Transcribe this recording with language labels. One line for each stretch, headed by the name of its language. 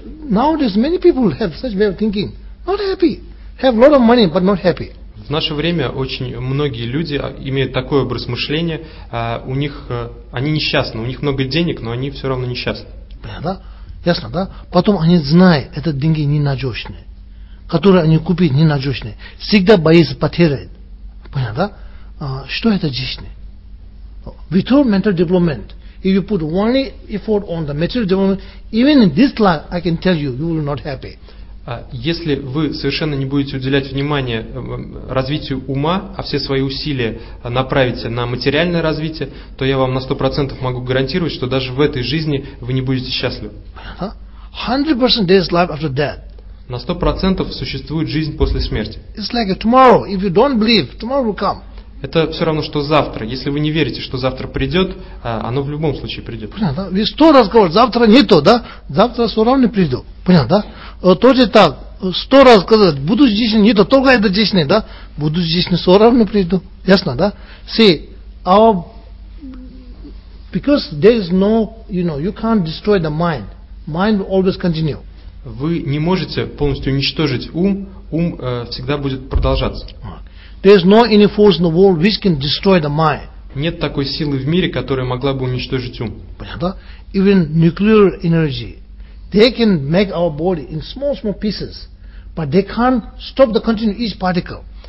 English: Nowadays many people have such way of thinking. Not happy. Have a lot of money, but not happy.
Russian: В наше время очень многие люди имеют такой образ мышления. У них они несчастны. У них много денег, но они все равно несчастны. Понятно, да? Ясно, да? Потом они знают, это деньги ненадежные. Которые они купили ненадежные. Всегда боятся потерять. Понятно, да? Что это действие?
English: Without mental development. If you put only effort on the material development, even in this life, I can tell you, you will not happy.
Russian: Если вы совершенно не будете уделять внимание развитию ума, а все свои усилия направите на материальное развитие, то я вам на 100% могу гарантировать, что даже в этой жизни вы не будете счастливы.
English: 100% there is life after death.
Russian: На 100% существует жизнь после смерти.
English: It's like tomorrow. If you don't believe, tomorrow will come.
Russian: Это все равно, что завтра. Если вы не верите, что завтра придет, оно в любом случае придет. Понятно, да? Ведь 100 раз говорят, завтра не то, да? Завтра все равно придет. Понятно, да? Тоже так, 100 раз сказать, буду здесь, не то, только это здесь, да? Буду здесь, все равно придет. Ясно, да?
English: See, our... Because there is no, you know, you can't destroy the mind. Mind will always continue.
Russian: Вы не можете полностью уничтожить ум. Ум всегда будет продолжаться.
English: There is no any force in the world which can destroy the mind.
Russian: нет такой силы в мире, которая могла бы уничтожить ум. Понятно?
English: Even nuclear energy, they can make our body in small, small pieces, but they can't stop the continuum each particle.